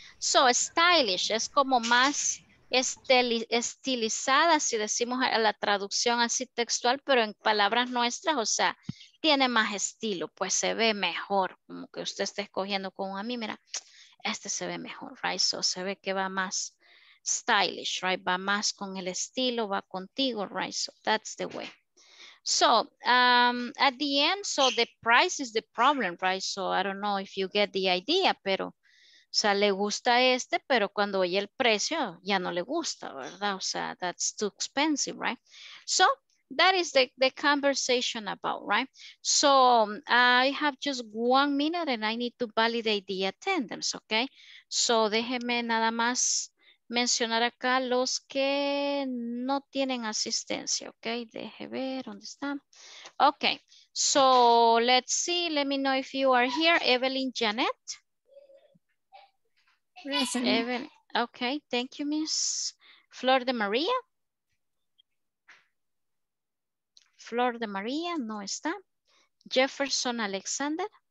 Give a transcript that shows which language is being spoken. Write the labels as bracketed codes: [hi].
[es] So, stylish es como más estilizada, si decimos la traducción así textual, pero en palabras nuestras, o sea, tiene más estilo, pues se ve mejor, como que usted está escogiendo con a mí, mira, este se ve mejor, [en] right? [es] So, se ve que va más stylish, [en] right? [es] Va más con el estilo, va contigo, [en] right? So, that's the way. So, at the end, so the price is the problem, right? So, I don't know if you get the idea, [es] pero, o sea, le gusta este, pero cuando oye el precio, ya no le gusta, ¿verdad? O sea, [en] that's too expensive, right? So, that is the conversation about, right? So, I have just 1 minute and I need to validate the attendance, okay? So, [es] déjeme nada más mencionar acá los que no tienen asistencia, ok, deje ver dónde están. [en] Ok, so let's see, let me know if you are here, Evelyn Janet. Evelyn. Ok, thank you, Miss Flor de María. [es] Flor de María no está. Jefferson Alexander.